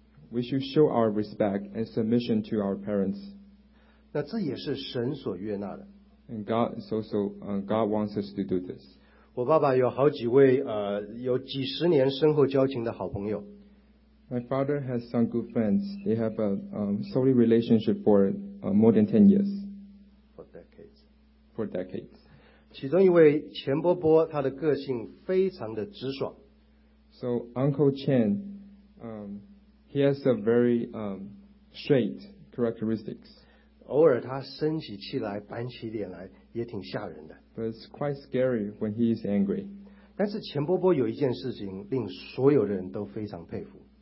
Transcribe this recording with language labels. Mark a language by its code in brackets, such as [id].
[en] We should show our respect and submission to our parents. [zh] 那这也是神所悦纳的。 [en] And God is also, God wants us to do this. [zh] 我爸爸有好几位有几十年深厚交情的好朋友。 [en] My father has some good friends. They have a solid relationship for more than 10 years. For decades. [zh] 其中一位钱伯伯，他的个性非常的直爽。 [en] So Uncle Chen, he has a very straight characteristics. [zh] 偶尔他生起气来，板起脸来，也挺吓人的。 [en] But it's quite scary when he is angry. [zh] 但是钱伯伯有一件事情令所有人都非常佩服。